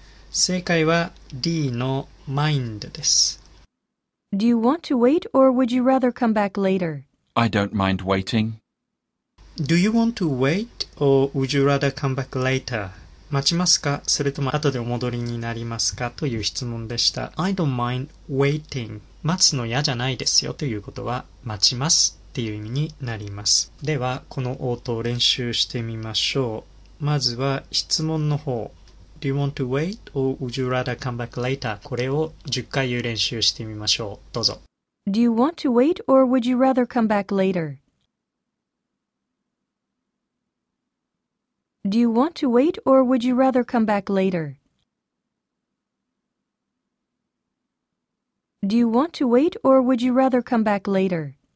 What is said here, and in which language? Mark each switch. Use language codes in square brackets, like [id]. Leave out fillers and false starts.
[ja] 正解は D の mind です。 [en] Do you want to wait or would you rather come back later? I don't mind waiting. Do you want to wait or would you rather come back later? [ja] 待ちますか? それとも後でお戻りになりますか? という質問でした。 [en] I don't mind waiting. [ja] 待つの嫌じゃないですよということは、待ちますっていう意味になります。では、この応答を練習してみましょう。まずは質問の方。 [en] Do you want to wait or would you rather come back later? [ja] これを10回言う練習してみましょう。どうぞ。 [en] Do you want to wait or would you rather come back later? Do you want to wait or would you rather come back later? Do you want to wait or would you rather come back later?